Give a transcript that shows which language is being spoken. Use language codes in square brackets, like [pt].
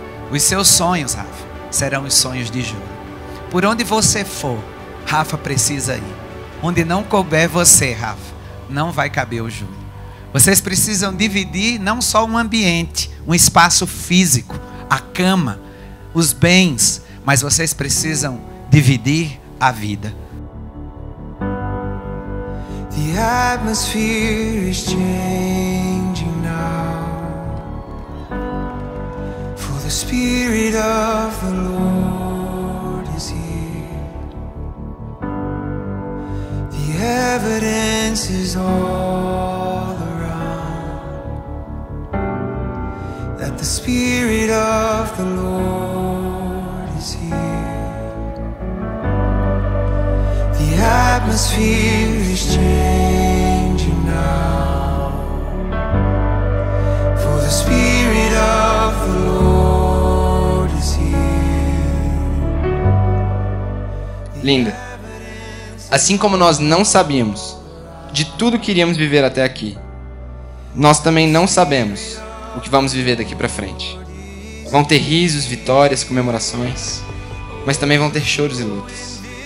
[pt] Os seus sonhos, Rafa, serão os sonhos de Júlio. Por onde você for, Rafa precisa ir. Onde não couber você, Rafa, não vai caber o Júlio. Vocês precisam dividir não só um ambiente, um espaço físico, a cama, os bens, mas vocês precisam dividir a vida. [en] The atmosphere is changing now, for the spirit of the Lord is here. The evidence is all around that the spirit of the Lord is here. The atmosphere is changing now, for the Spirit of the Lord is here. [pt] Linda, assim como nós não sabíamos de tudo que iríamos viver até aqui, nós também não sabemos o que vamos viver daqui pra frente. Vão ter risos, vitórias, comemorações, mas também vão ter choros e lutas.